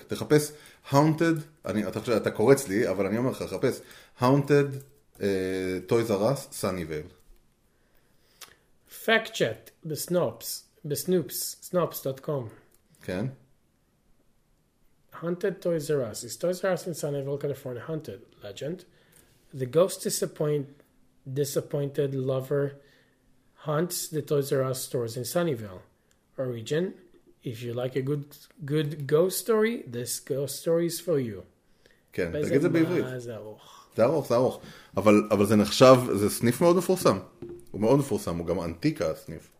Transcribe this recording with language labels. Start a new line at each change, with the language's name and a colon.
Hebrew: תחפש haunted, אתה קורץ לי, אבל אני אומר לך, חפש haunted Toys R Us סניפל.
English: Fact chat בסנופס, snopes.com.
Hebrew: כן.
English: Haunted Toys R Us. Is Toys R Us in Sunnyvale, California haunted? Legend. The ghost disappointed lover haunts the Toys R Us stores in Sunnyvale. Origin, if you like a good ghost story, this ghost story is for you.
Hebrew: כן, תגיד זה בעברית. זה ארוך. זה ארוך, זה ארוך. אבל זה נחשב, זה סניף מאוד מפורסם. הוא מאוד מפורסם, הוא גם אנטיקה הסניף.